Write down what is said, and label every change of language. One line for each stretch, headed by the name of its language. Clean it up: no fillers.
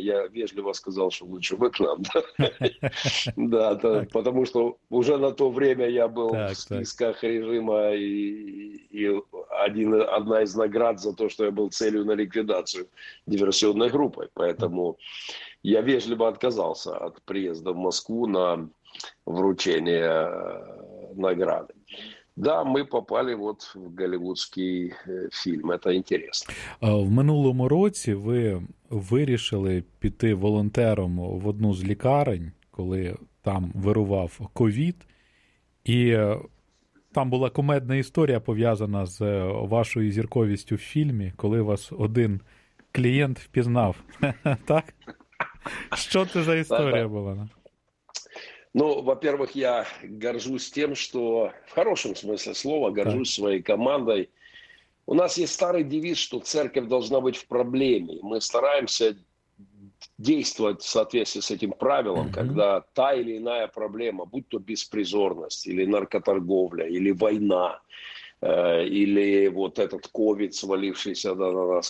Russian: Я вежливо сказал, что лучше вы к нам. Да, потому что уже на то время я был в списках режима и одна из наград за то, что я был целью на ликвидацию диверсионной группы. Поэтому я вежливо отказался от приезда в Москву на вручение награды. Да, мы попали вот в голливудский фильм. Это интересно.
Ukrainian: В минулому році ви вирішили піти волонтером в одну з лікарень, коли там вирував ковід. І там була кумедна історія, пов'язана з вашою зірковістю в фільмі, коли вас один клієнт впізнав. Так? Що це за історія була?
Russian: Ну, во-первых, я горжусь тем, что в хорошем смысле слова горжусь своей командой. У нас есть старый девиз, что церковь должна быть в проблеме. Мы стараемся действовать в соответствии с этим правилом, когда та или иная проблема, будь то беспризорность, или наркоторговля, или война, или вот этот ковид, свалившийся на нас.